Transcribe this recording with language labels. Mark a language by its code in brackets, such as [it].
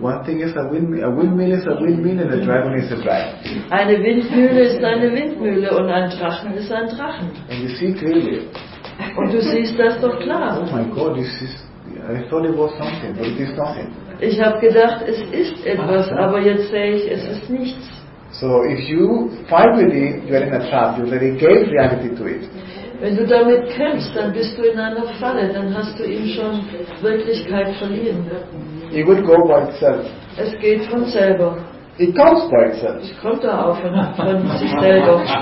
[en] One thing is a windmill is a windmill and a dragon is a dragon. [de] Eine Windmühle ist eine Windmühle und ein Drachen ist ein Drachen. [en] And you see clearly. or to see stars or clouds. Oh my God, this is, I thought it was something, but it is nothing. [de] Ich habe gedacht, es ist etwas, aber jetzt sehe ich, es ist nichts. [en] So if you fight with it, you are in a trap, you already gave reality to it. [de] Wenn du damit kämpfst, dann bist du in einer Falle, dann hast du ihm schon Wirklichkeit verliehen. [en] It would go by itself. [de] Es geht von selber. [en] It comes by itself. [de] Es kommt da auf und von sich selber.